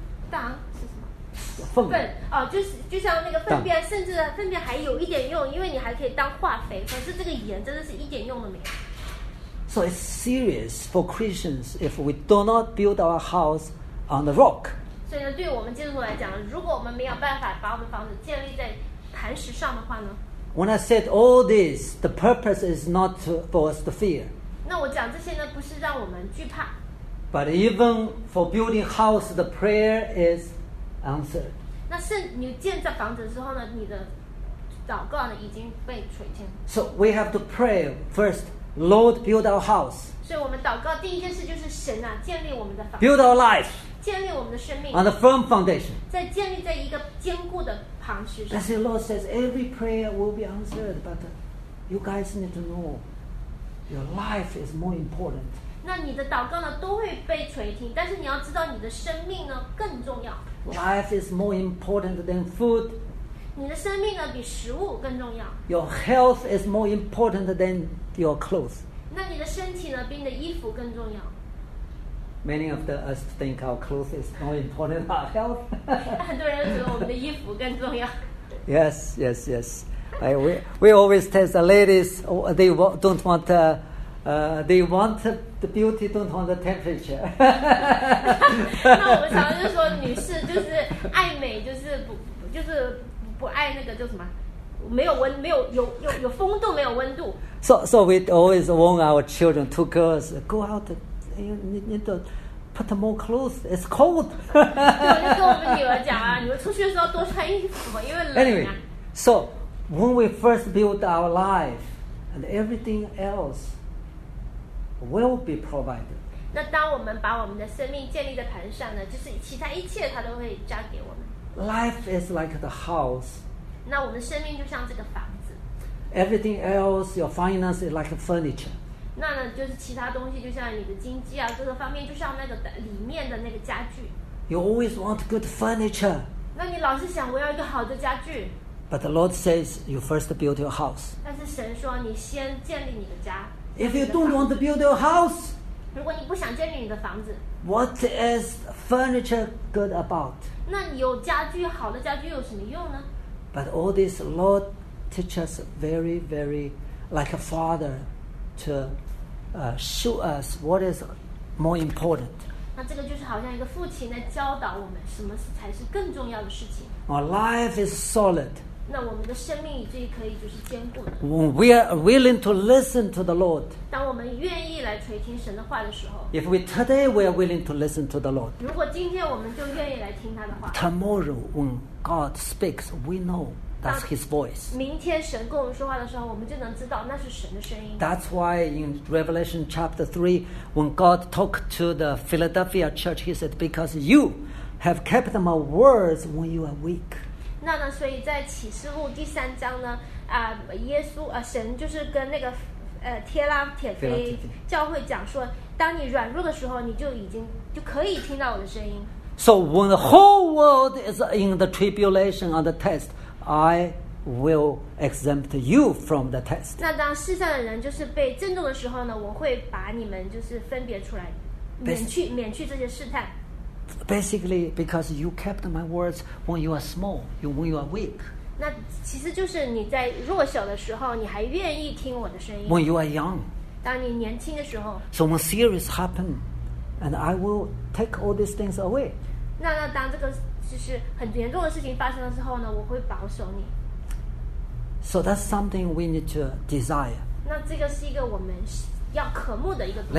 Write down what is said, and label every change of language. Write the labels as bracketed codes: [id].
[zh] 当粪哦，就像那个粪便，甚至粪便还有一点用，因为你还可以当化肥。可是这个盐真的是一点用都没有。 [en] So it's serious for Christians if we do not build our house on the rock. [zh] 所以呢，对我们基督徒来讲，如果我们没有办法把我们的房子建立在磐石上的话呢 [en] ？When I said all this, the purpose is not for us to fear. [zh] 那我讲这些呢，不是让我们惧怕。 [en] But even for building house, the prayer is. Answered. [zh] 那是你建造房子之后呢，你的祷告呢已经被垂听。 [en] So we have to pray first, Lord, build our house. [zh] 所以我们祷告第一件事就是神啊，建立我们的房子。 [en] Build our life. [zh] 建立我们的生命。 [en] On a firm foundation. [zh] 在建立在一个坚固的磐石上。 [en] That's the Lord says every prayer will be answered, but you guys need to know your life is more important. [zh] 那你的祷告呢都会被垂听，但是你要知道你的生命呢更重要。 [en] Life is more important than food. [zh] 你的生命呢比食物更重要。 [en] Your health is more important than your clothes. [zh] 那你的身体呢比你的衣服更重要。 [en] Many of us think our clothes is more important than our health. [zh] 很多人觉得我们的衣服更重要。 [en] Yes, yes, yes. We always tell the ladies they don't want they want the beauty, don't want the temperature. [zh] 那我们常常就说，女士就是爱美，就是不爱那个叫什么，没有温，没有有风度，没有温度。 [en] So we always warn our children, two girls, go out, you need to put more clothes. It's cold. [zh] 对，我就跟我们女儿讲啊，你们出去的时候多穿衣服，因为冷啊。 [en] Anyway, so when we first build our life and everything else. Will be provided. [zh] 那当我们把我们的生命建立在磐上呢，就是其他一切他都会交给我们。 [en] Life is like the house. [zh] 那我们生命就像这个房子。 [en] Everything else, your finance is like furniture. [zh] 那呢，就是其他东西，就像你的经济啊，各个方面，就像那个里面的那个家具。 [en] You always want good furniture. [zh] 那你老是想我要一个好的家具。 [en] But the Lord says you first build your house. [zh] 但是神说你先建立你的家。 [en] If you don't want to build your house, [zh] 如果你不想建立你的房子 [en] what is furniture good about? [zh] 那有家具，好的家具有什么用呢？ [en] But all this, Lord teach us very, very, like a father, to show us what is more important. [zh] 那这个就是好像一个父亲在教导我们什么才是更重要的事情。 [en] Our life is solid. [zh] 那我们的生命就可以就是坚固的。 [en] When we are willing to listen to the Lord, [zh] 当我们愿意来垂听神的话的时候 [en] ，If we today we are willing to listen to the Lord, [zh] 如果今天我们就愿意来听他的话 [en] ，Tomorrow when God speaks, we know that's His voice. [zh] 明天神跟我们说话的时候，我们就能知道那是神的声音。 [en] That's why in Revelation chapter 3, when God talked to the Philadelphia church, He said, "Because you have kept my words when you are weak." [zh] 那呢，所以在启示录第三章呢，耶稣神就是跟那个帖拉铁菲教会讲说，当你软弱的时候，你就已经就可以听到我的声音。 [en] So when the whole world is in the tribulation and the test, I will exempt you from the test. [zh] 那当世上的人就是被震动的时候呢，我会把你们就是分别出来，免去这些试探。 [en] Basically, because you kept my words when you are small, when you are weak. [zh] 那其实就是你在弱小的时候，你还愿意听我的声音。 [en] When you are young. [zh] 当你年轻的时候。 [en] So when serious happen, and I will take all these things away. [zh] 那当这个就是很严重的事情发生的时候呢，我会保守你。 [en] So that's something we need to desire. [zh] 那这个是一个我们要渴慕的一个东西。